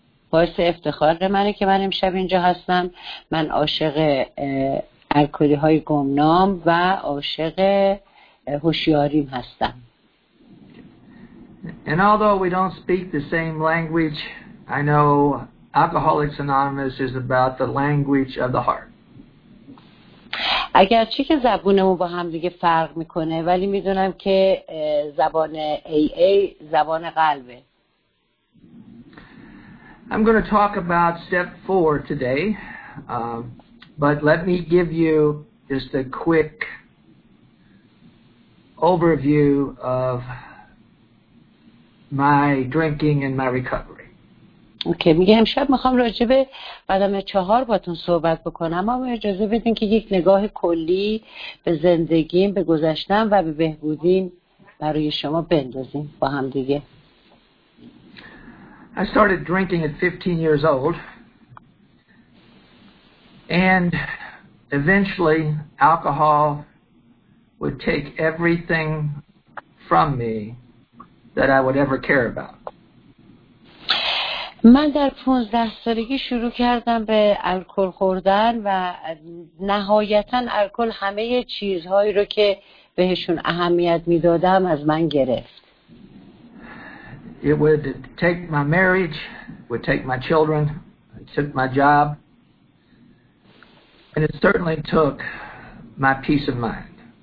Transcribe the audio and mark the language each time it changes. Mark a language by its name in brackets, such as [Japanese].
[Persian] باعث افتخار منه که من امشب اینجا هستم. من عاشق الکلی های گمنام و عاشق هوشیاریم هستم. [English] And although we don't speak the same language, I know Alcoholics Anonymous is about the language of the heart. [Persian] اگرچه که زبونمون با هم دیگه فرق میکنه، ولی میدونم که زبان AA زبان قلبه. [English] I'm going to talk about step four today, but let me give you just a quick overview of my drinking and my recovery. [Persian] Okay, میگم شب میخوام راجع به قدم چهار باتون صحبت بکنم، اما اجازه بدین که یک نگاه کلی به زندگیم، به گذشتم و به بهبودیم برای شما بندازیم با هم دیگه. [English] I started drinking at 15 years old, and eventually alcohol would take everything from me that I would ever care about. [Persian] من در 15 سالگی شروع کردم به الکل خوردن و نهایتاً الکل همه چیزهایی رو که بهشون اهمیت میدادم از من گرفت. [English] It would take my marriage, would take my children, it took my job, and it certainly took my peace of mind.